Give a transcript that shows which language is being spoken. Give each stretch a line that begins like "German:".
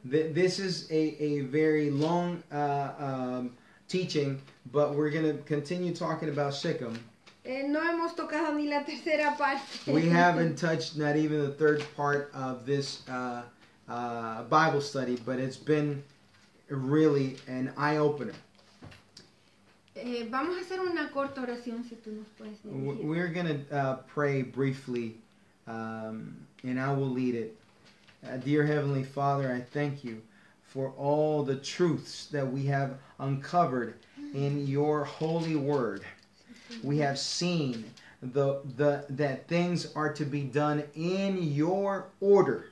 English: This is a very long teaching, but we're going to continue talking about Siquem.
Spanish: No hemos tocado ni la tercera parte.
English: We haven't touched not even the third part of this Bible study, but it's been really an eye-opener.
Spanish: Vamos a hacer una corta oración, si tú nos puedes dirigir.
English: We're going to pray briefly, and I will lead it. Dear Heavenly Father, I thank you for all the truths that we have uncovered in your holy word. We have seen that things are to be done in your order.